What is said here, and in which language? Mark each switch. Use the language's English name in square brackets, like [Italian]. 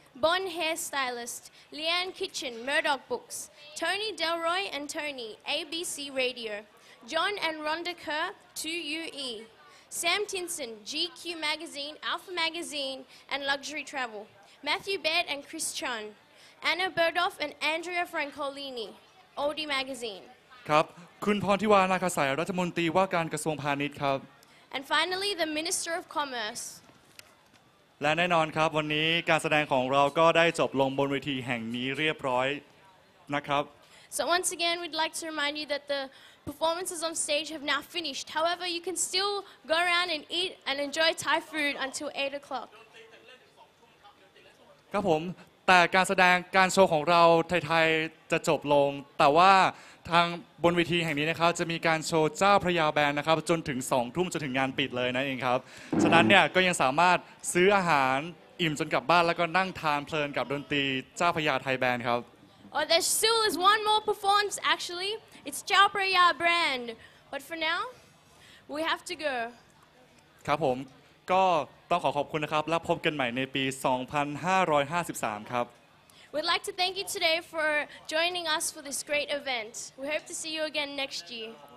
[English] Bon Hair Stylist Leanne Kitchen Murdoch Books Tony Delroy and Tony ABC Radio John and Rhonda Kerr 2UE Sam Tinson GQ Magazine Alpha Magazine and Luxury Travel Matthew Baird and Chris Chun Anna Burdoff and Andrea Francolini Oldie Magazine [Thai] ครับคุณพรทิวานาคาสายรัฐมนตรีว่าการกระทรวงพาณิชย์ครับ [English] And finally the Minister of Commerce [Thai] และแน่นอนครับวันนี้การแสดงของเราก็ได้จบลงบนเวทีแห่งนี้เรียบร้อยนะครับ [English] So once again we'd like to remind you that the performances on stage have now finished. However, you can still go around and eat and enjoy Thai food until 8 o'clock. [Thai] ครับผมแต่การแสดงการโชว์ของเราไทยๆจะจบลงแต่ว่าทางบนเวทีแห่งนี้นะครับจะมีการโชว์เจ้าพระยาแบนนะครับจนถึง2ทุ่มจนถึงงานปิดเลยนะเองครับฉะนั้นเนี่ยก็ยังสามารถซื้ออาหาร อิ่มจนกลับบ้านแล้วก็นั่งทานเพลินกับดนตรีเจ้าพระยาไทยแบนด์ครับ [English] Oh there still is one more performance actually it's เจ้าพระยาแบรนด์ but for now we have to go [Thai] ครับผมก็ต้องขอขอบคุณนะครับแล้วพบกันใหม่ในปี2553ครับ [English] We'd like to thank you today for joining us for this great event we hope to see you again next year